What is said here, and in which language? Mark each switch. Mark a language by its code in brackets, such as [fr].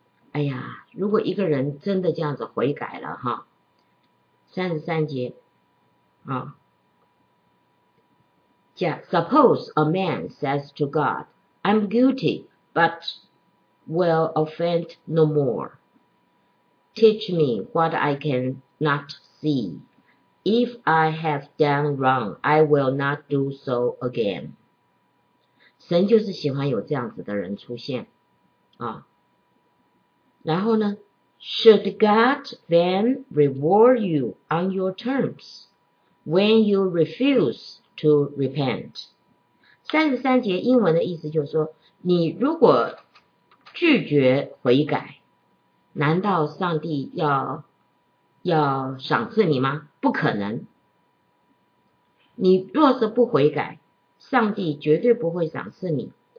[zh] 哎呀，如果一个人真的这样子悔改了哈，33节啊，讲 [en] Suppose a man says to God, I'm guilty, but will offend no more. Teach me what I can not see. If I have done wrong, I will not do so again. [zh] 神就是喜欢有这样子的人出现啊。然后呢， [en] Should God then reward you on your terms when you refuse to repent? [zh] 33节英文的意思就是说，你如果拒绝悔改，难道上帝要赏赐你吗？不可能。你若是不悔改，上帝绝对不会赏赐你。